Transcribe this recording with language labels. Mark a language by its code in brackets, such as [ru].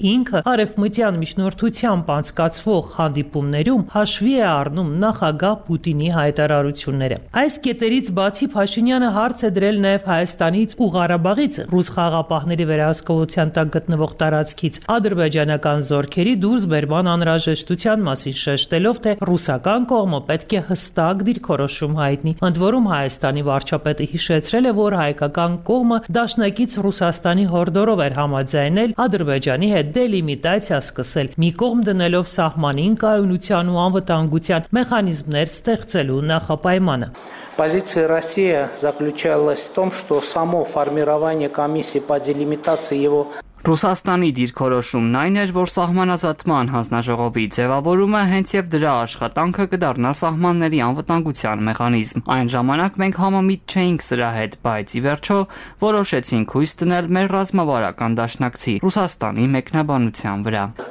[hy] ինքը Արևմտյան միջնորդությամբ անցկացվող հանդիպումներում հաշվի է առնում նախագահ Պուտինի հայտարարությունները։ Այս կետերից բացի Փաշինյանը հարց է դրել նաև Հայաստանից ու Ղարաբաղից ռուս խաղապահների վերահսկողության տակ գտնվող տարածքից ադրբեջանական զորքերի դուրս բերման անհրաժեշտության մասին, շեշտելով, թե ռուսական կողմը պետք է հստակ դիրքորոշում հայտնի։ Ընդ որում Հայաստանի վարչապետը հիշեցրել է, որ հայկական կողմը դաշնակից Ռուսաստանի հորդորով էր համաձայնել Ադրբեջանի հետ դելիմիտացիա սկսել, մի կողմ դնելով սահմանին կայունության ու անվտանգության մեխանիզմներ ստեղծելու նախապայմանը։ [ru] Позиция России заключалась в том, что само формирование комиссии по делимитации его... [hy] Ռուսաստանի դիրքորոշումն այն էր, որ սահմանազատման հանձնաժողովի ձևավորումը հենց և դրա աշխատանքը կդառնա սահմանների անվտանգության մեխանիզմ։ Այն ժամանակ մենք համամիտ չէինք սրա հետ, բայց ի վերջո որոշեցինք հույս տնել մեր ռազմավարական դաշնակցի Ռուսաստանի մեկնաբանության վրա։